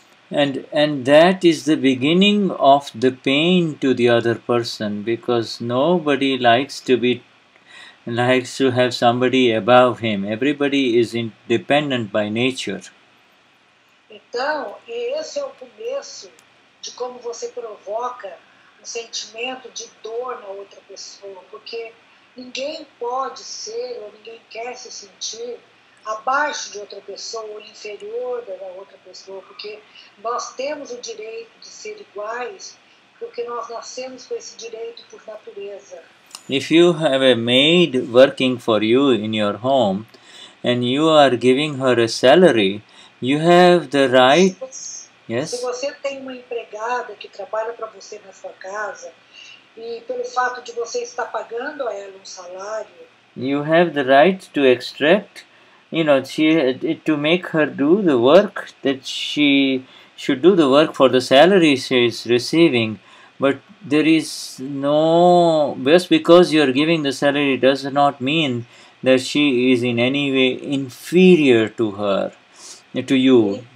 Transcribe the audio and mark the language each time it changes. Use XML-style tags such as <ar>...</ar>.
<en>And that is the beginning of the pain to the other person, because nobody likes to have somebody above him. Everybody is dependent by nature.</en> <pt>Então, esse é o começo de como você provoca um sentimento de dor na outra pessoa, porque ninguém pode ser ou ninguém quer se sentir abaixo de outra pessoa ou inferior da outra pessoa, porque nós temos o direito de ser iguais, porque nós nascemos com esse direito por natureza.</pt> <en>If you have a maid working for you in your home and you are giving her a salary, you have the right. Yes.</en> <pt>Se você tem uma empregada que trabalha para você na sua casa e pelo fato de você estar pagando a ela salário,</pt> <en>you have the right to extract, you know, to make her do the work that she should do the work for the salary she is receiving. But there is no, just because you are giving the salary does not mean that she is in any way inferior to her, to you.</en>